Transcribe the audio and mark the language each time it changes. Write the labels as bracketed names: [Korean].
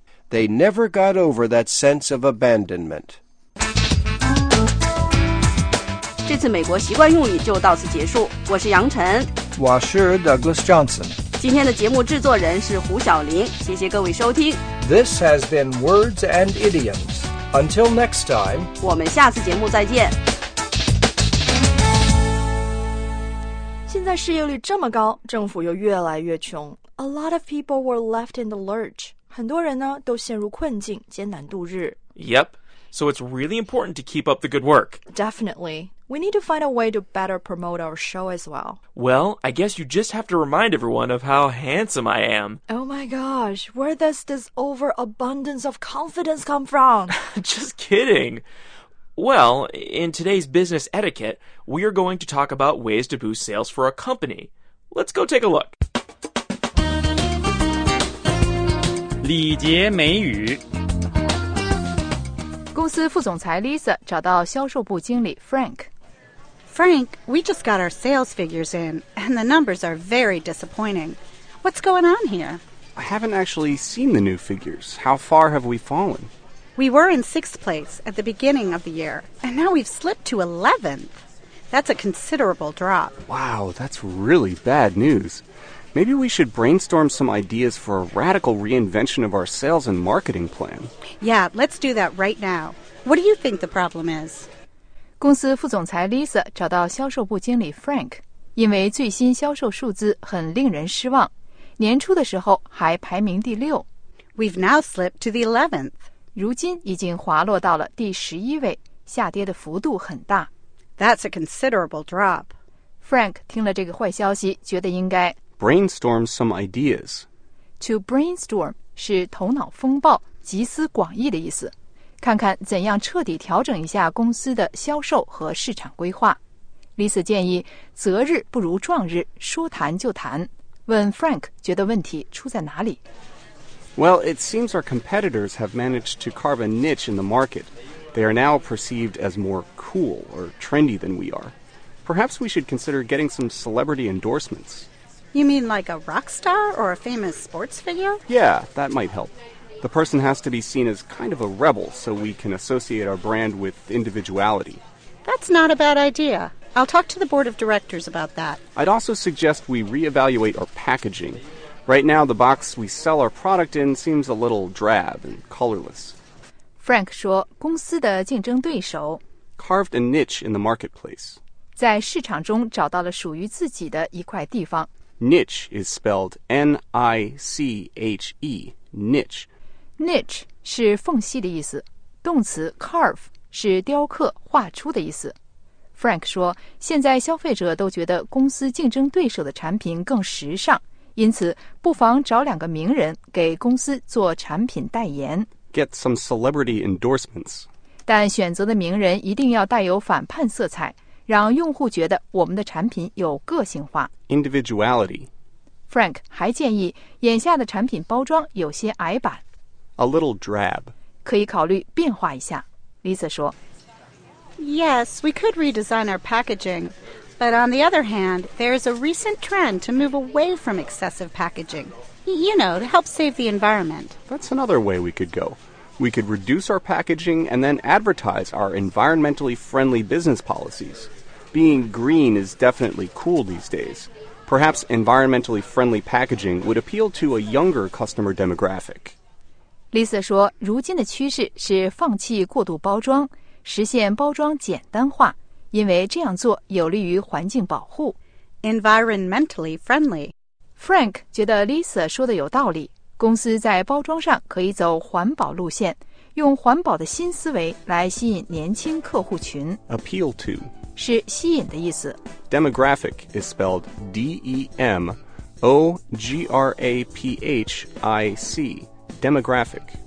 [English] They never got over that sense of abandonment. [Chinese] 这次美国习惯用语就到此结束，我是杨晨，我是 Douglas Johnson，今天的节目制作人是胡晓玲，谢谢各位收听。 [English] This has been Words and Idioms. Until next time， [Chinese] 我们下次节目再见。现在失业率这么高，政府又越来越穷， [English] A lot of people were left in the lurch， [Chinese] 很多人呢都陷入困境，艰难度日。 [English] Yep, so it's really important to keep up the good work. Definitely. We need to find a way to better promote our show as well. Well, I guess you just have to remind everyone of how handsome I am. Oh my gosh, where does this overabundance of confidence come from? Just kidding. Well, in today's business etiquette, we are going to talk about ways to boost sales for a company. Let's go take a look. [Chinese] 礼节美语公司副总裁 Lisa 找到销售部经理 Frank。 [English] Frank, we just got our sales figures in, and the numbers are very disappointing. What's going on here? I haven't actually seen the new figures. How far have we fallen? We were in sixth place at the beginning of the year, and now we've slipped to 11th. That's a considerable drop. Wow, that's really bad news. Maybe we should brainstorm some ideas for a radical reinvention of our sales and marketing plan. Yeah, let's do that right now. What do you think the problem is? [Chinese] 公司副总裁 Lisa 找到销售部经理 Frank， 因为最新销售数字很令人失望，年初的时候还排名第六。 [English] We've now slipped to the 11th. [Chinese] 如今已经滑落到了第十一位，下跌的幅度很大。 [English] That's a considerable drop. [Chinese] Frank 听了这个坏消息，觉得应该 [English] brainstorm some ideas. [Chinese] To brainstorm 是头脑风暴、集思广益的意思。看看怎样彻底调整一下公司的销售和市场规划。 Lisa 建议择日不如撞日，说谈就谈，问 Frank 觉得问题出在哪里。 [English] Well, it seems our competitors have managed to carve a niche in the market. They are now perceived as more cool or trendy than we are. Perhaps we should consider getting some celebrity endorsements. You mean like a rock star or a famous sports figure? Yeah, that might help. The person has to be seen as kind of a rebel so we can associate our brand with individuality. That's not a bad idea. I'll talk to the board of directors about that. I'd also suggest we reevaluate our packaging. Right now, the box we sell our product in seems a little drab and colorless. [Chinese] Frank 说公司的竞争对手 [English] carved a niche in the marketplace. [Chinese] 在市场中找到了属于自己的一块地方。 [English] Niche is spelled N-I-C-H-E, niche. [Chinese] Niche 是缝隙的意思。动词 carve 是雕刻、画出的意思。 Frank 说现在消费者都觉得公司竞争对手的产品更时尚，因此不妨找两个名人给公司做产品代言。 [English] Get some celebrity endorsements. [Chinese] 但选择的名人一定要带有反叛色彩，让用户觉得我们的产品有个性化。 [English] Individuality. [Chinese] Frank 还建议眼下的产品包装有些矮板。 [English] A little drab. [Chinese] 可以考虑变化一下。Lisa 说。 [English] Yes, we could redesign our packaging. But on the other hand, there is a recent trend to move away from excessive packaging. You know, to help save the environment. That's another way we could go. We could reduce our packaging and then advertise our environmentally friendly business policies. Being green is definitely cool these days. Perhaps environmentally friendly packaging would appeal to a younger customer demographic. [Chinese] Lisa 说如今的趋势是放弃过度包装，实现包装简单化，因为这样做有利于环境保护。 [English] Environmentally friendly. [Chinese] Frank 觉得 Lisa 说的有道理，公司在包装上可以走环保路线，用环保的新思维来吸引年轻客户群。 [English] Appeal to [Chinese] 是吸引的意思。 [English] Demographic is spelled D-E-M-O-G-R-A-P-H-I-C. Demographic.